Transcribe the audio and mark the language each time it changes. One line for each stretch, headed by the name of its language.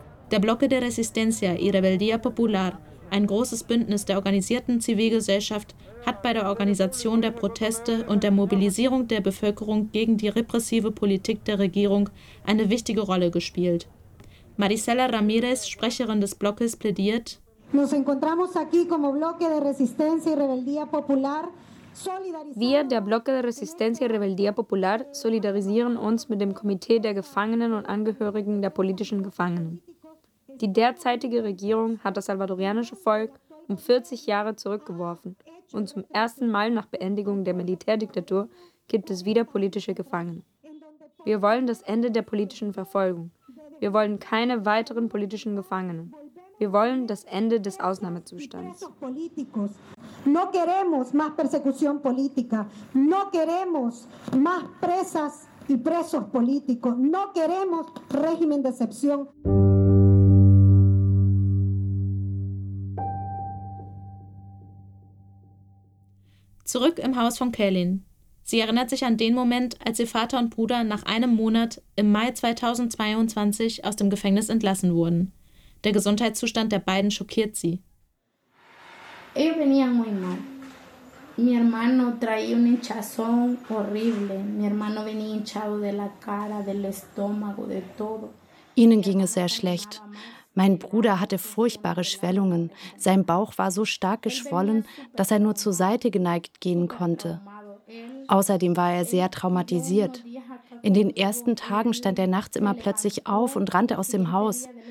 German: Der Bloque de Resistencia y Rebeldía Popular, ein großes Bündnis der organisierten Zivilgesellschaft, hat bei der Organisation der Proteste und der Mobilisierung der Bevölkerung gegen die repressive Politik der Regierung eine wichtige Rolle gespielt. Marisela Ramirez, Sprecherin des Bloques, plädiert:
Spanish: Nos encontramos aquí como Bloque de Resistencia y Rebeldía Popular.
German: Wir, der Bloque de Resistencia y Rebeldía Popular, solidarisieren uns mit dem Komitee der Gefangenen und Angehörigen der politischen Gefangenen. Die derzeitige Regierung hat das salvadorianische Volk um 40 Jahre zurückgeworfen und zum ersten Mal nach Beendigung der Militärdiktatur gibt es wieder politische Gefangene. Wir wollen das Ende der politischen Verfolgung. Wir wollen keine weiteren politischen Gefangenen. Wir wollen das Ende des Ausnahmezustands.
Spanish: No queremos más persecución política. No queremos más presas y presos políticos. No queremos régimen de excepción.
German: Zurück im Haus von Kaylin. Sie erinnert sich an den Moment, als ihr Vater und Bruder nach einem Monat im Mai 2022 aus dem Gefängnis entlassen wurden. Der Gesundheitszustand der beiden schockiert sie.
Spanish: Ellos venían muy mal. Mi hermano traía un hinchazón horrible. Mi hermano venía hinchado de la cara, del estómago, de todo.
German: Ihnen ging es sehr schlecht. Mein Bruder hatte furchtbare Schwellungen. Sein Bauch war so stark geschwollen, dass er nur zur Seite geneigt gehen konnte. Außerdem war er sehr traumatisiert. In den ersten Tagen stand er nachts immer plötzlich auf und rannte aus dem Haus.